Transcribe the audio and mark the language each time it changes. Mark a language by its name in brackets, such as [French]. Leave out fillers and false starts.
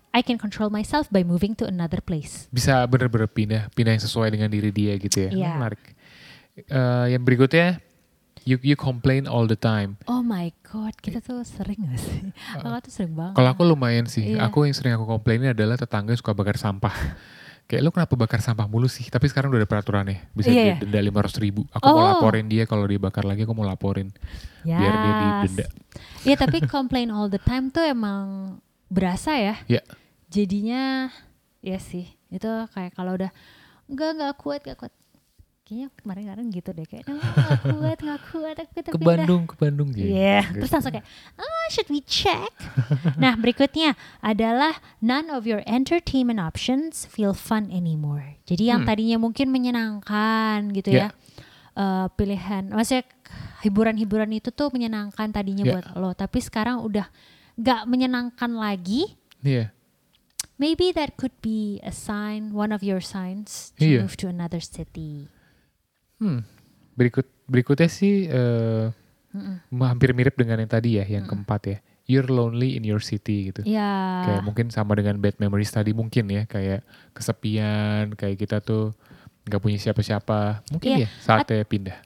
[English] I can control myself by moving to another place. [Indonesian] Bisa bener-bener pindah yang sesuai dengan diri dia gitu ya. [English] Yeah. [Indonesian] Menarik. Yang berikutnya, [English] you complain all the time. [Indonesian] Oh my God, kita tuh sering gak sih? Aku tuh sering banget. Kalau aku lumayan sih, aku yang sering aku komplainin adalah tetangga suka bakar sampah. Kayak lo kenapa bakar sampah mulu sih? Tapi sekarang udah ada peraturannya. Bisa didenda 500.000. Aku mau laporin dia kalau dia bakar lagi, aku mau laporin. [English] Yes. [Indonesian] Biar dia didenda. Iya tapi [English] complain all the time [Indonesian] tuh emang berasa ya. [English] Yeah. [Indonesian] Jadinya ya sih. Itu kayak kalau udah gak kuat. Kayaknya kemarin gitu deh. Kayaknya gak kuat. Ke Bandung gitu. Iya. Yeah. Terus langsung kayak, [English] should we check? [Indonesian] Nah berikutnya adalah [English] none of your entertainment options feel fun anymore. [Indonesian] Jadi yang tadinya mungkin menyenangkan gitu ya. Pilihan, maksudnya hiburan-hiburan itu tuh menyenangkan tadinya buat lo. Tapi sekarang udah gak menyenangkan lagi. Iya. Yeah. [English] Maybe that could be a sign, one of your signs to move to another city. [Indonesian] Berikutnya sih hampir mirip dengan yang tadi ya, yang keempat ya. [English] You're lonely in your city gitu. Yeah. [Indonesian] Kayak mungkin sama dengan [English] bad memories [Indonesian] tadi mungkin ya, kayak kesepian, kayak kita tuh gak punya siapa-siapa. Mungkin ya saatnya pindah.